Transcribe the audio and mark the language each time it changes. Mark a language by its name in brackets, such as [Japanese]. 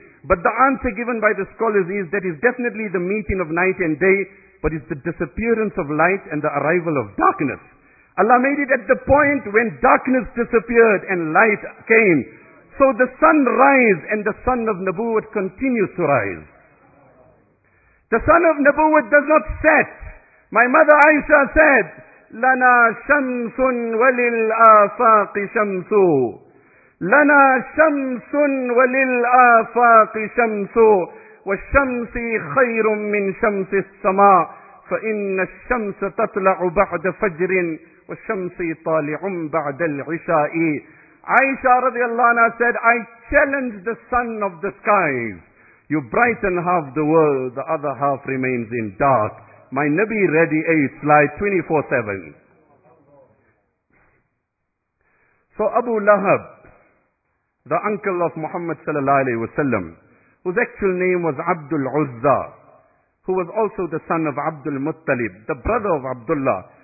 [English] But the answer given by the scholars is that it's definitely the meeting of night and day, but it's the disappearance of light and the arrival of darkness. Allah made it at the point when darkness disappeared and light came. So the sun rise and the sun of Nabuwat continues to rise. The sun of Nabuwat does not set. My mother Aisha said, [Arabic] لَنَا شَمْسٌ وَلِلْآفَاقِ شَمْسُ لَنَا شَمْسٌ وَلِلْآفَاقِ شَمْسُ وَالشَّمْسِ خَيْرٌ مِّن شَمْسِ السَّمَاءِ فَإِنَّ الشَّمْسَ تَطْلَعُ بَعْدَ فَجْرٍ وَالشَّمْسِ طَالِعٌ بَعْدَ الْعِشَاءِ [English] Aisha radiallahu anha said, I challenge the sun of the skies. You brighten half the world, the other half remains in dark. My Nabi radiates light 24/7. So Abu Lahab, the uncle of Muhammad sallallahu alayhi wa sallam, whose actual name was Abdul Uzza, who was also the son of Abdul Muttalib, the brother of Abdullah.